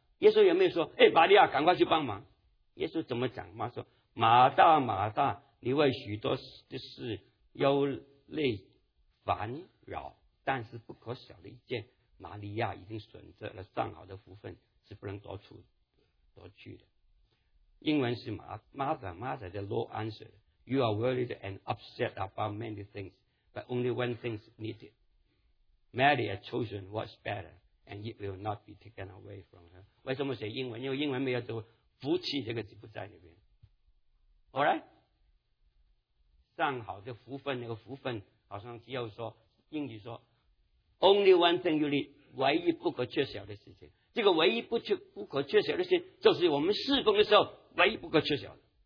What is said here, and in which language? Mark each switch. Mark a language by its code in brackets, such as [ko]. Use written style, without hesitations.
[zh] 耶稣有没有说，哎，玛利亚，赶快去帮忙？耶稣怎么讲？妈说，马大，马大，你为许多的事忧虑烦扰，但是不可小的一件，玛利亚已经选择了上好的福分，是不能夺去的。英文是 [en] Martha 的 Lord answer， You are worried and upset about many things. But only one thing is needed. Mary has chosen what's better, and it will not be taken away from her. [zh] 为什么写英文？因为英文没有读福气这个字不在里面。 [en] All right? [zh] 上好的福分，那个福分好像只有说，英语说 ， [en] only one thing you need， [zh] 唯一不可缺少的事情。这个唯一不可缺少的事情，就是我们侍奉的时候唯一不可缺少的。